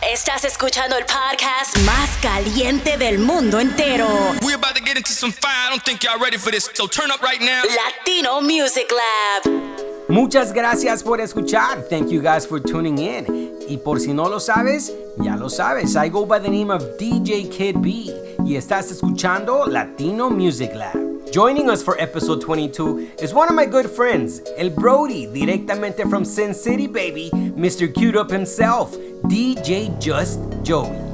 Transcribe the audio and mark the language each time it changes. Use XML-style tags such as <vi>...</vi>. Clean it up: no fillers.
<es>Estás escuchando el podcast más caliente del mundo entero.</es> <en>We're about to get into some fire. I don't think y'all ready for this. So turn up right now. Latino Music Lab.</en> <es>Muchas gracias por escuchar.</es> <en>Thank you guys for tuning in.</en> <es>Y por si no lo sabes, ya lo sabes.</es> <en>I go by the name of DJ Kid B.</en> <es>Y estás escuchando Latino Music Lab.</es> <en>Joining us for episode 22 is one of my good friends, El Brody,</en> <es>directamente</es> <en>from Sin City, baby, Mr. Cued Up himself, DJ Just Joey.</en>